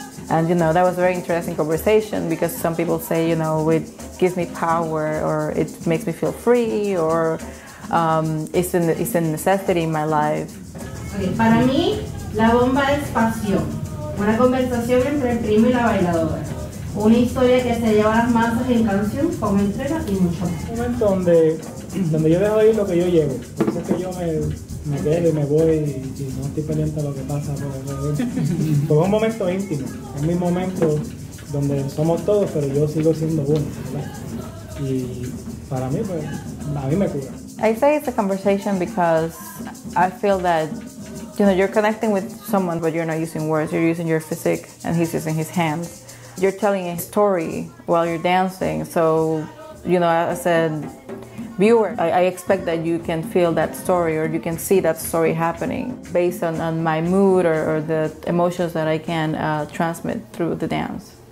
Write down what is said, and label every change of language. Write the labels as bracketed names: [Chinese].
[English] And, you know, that was a very interesting conversation, because some people say, you know, it gives me power, or it makes me feel free, or it's a necessity in my life. [Spanish] Okay, para mí, la bomba es pasión. Una conversación entre el primo y la bailadora. Una historia que se lleva a las masas en canción, con entrega y mucho más. Un momento donde yo dejo ir lo que yo llevo. Es que yo me quedo y me voy y no estoy pendiente de lo que pasa. Pero es un momento íntimo. Es mi momento donde somos todos, pero yo sigo siendo uno, ¿verdad? Y para mí, pues, a mí me cura. [English] I say it's a conversation because I feel that, you know, you're connecting with someone, but you're not using words. You're using your physique, and he's using his hands. You're telling a story while you're dancing. So, you know, as a viewer, I expect that you can feel that story, or you can see that story happening based on my mood or the emotions that I can transmit through the dance.